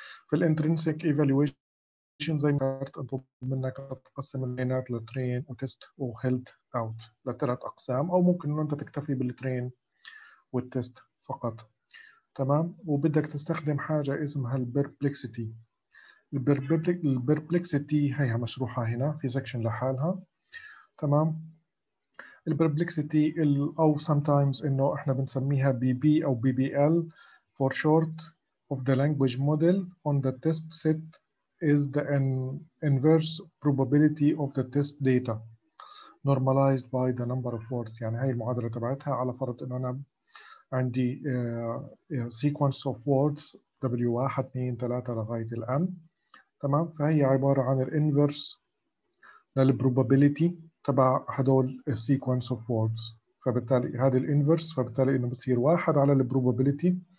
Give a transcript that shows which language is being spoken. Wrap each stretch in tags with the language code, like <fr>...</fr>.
<ar>في الانترنسيك evaluation زي ما قلت، مطلوب منك تقسم البيانات لترين وتست وهيلد اوت لثلاث اقسام، او ممكن انه انت تكتفي بالترين والتست فقط. تمام، وبدك تستخدم حاجه اسمها البربلكسيتي. البربلكسيتي هيها مشروحه هنا في سكشن لحالها. تمام، البربلكسيتي او</ar> <en>sometimes</en> <ar>انه احنا بنسميها بي بي او بي بي ال</ar> <en>for short of the language model on the test set is the inverse probability of the test data normalized by the number of words.</en> <ar>يعني هاي المعادلة تبعتها، على فرض انه انا عندي</ar> <en>sequence of words W1 2 3</en> <ar>لغاية الآن. تمام، فهي عبارة عن الانفرس للبروبابيليتي تبع هدول</ar> <en>السيكونس of words,</en> <ar>فبالتالي هذا الانفرس، فبالتالي انه بتصير واحد على البروبابيليتي.</ar>